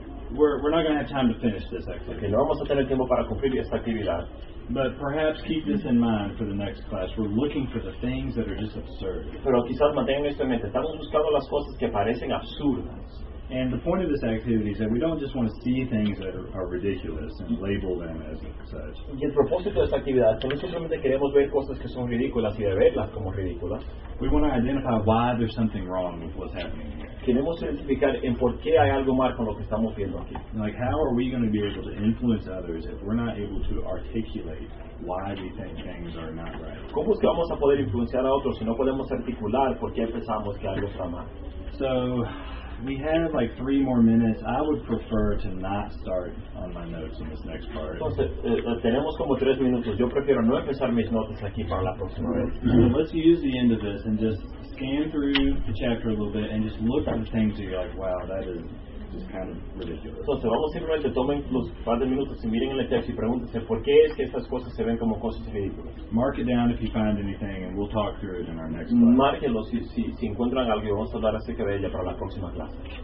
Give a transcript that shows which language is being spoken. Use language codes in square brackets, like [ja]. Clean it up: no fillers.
[en] We're not going to have time to finish this activity. [es] Okay, no vamos a tener tiempo para cumplir esta actividad. [en] But perhaps keep this in mind for the next class. We're looking for the things that are just absurd. [es] Pero quizás mantengan esto en mente. Estamos buscando las cosas que parecen absurdas. [en] And the point of this activity is that we don't just want to see things that are ridiculous and label them as such. [es] Y el propósito de esta actividad es que no simplemente queremos ver cosas que son ridículas y verlas como ridículas. [en] We want to identify why there's something wrong with what's happening here. [es] Queremos identificar en por qué hay algo mal con lo que estamos viendo aquí. [en] Like, how are we going to be able to influence others if we're not able to articulate why we think things are not right? [es] ¿Cómo es que vamos a poder influenciar a otros si no podemos articular por qué pensamos que algo está mal? [en] So, we have like three more minutes. I would prefer to not start on my notes in this next part. [es] Entonces, tenemos como tres minutos. Yo prefiero no empezar mis notas aquí para la próxima vez. [en] So let's use the end of this and just scan through the chapter a little bit and just look at the things that you're like, wow, that is just kind of ridiculous. [es] Entonces, vamos simplemente tomen los par de minutos y miren el texto y pregúntense por qué es que estas cosas se ven como cosas ridículas. [en] Mark it down if you find anything and we'll talk through it in our next class. [es] Márquenlo si encuentran algo y vamos a hablar acerca de ella para la próxima clase.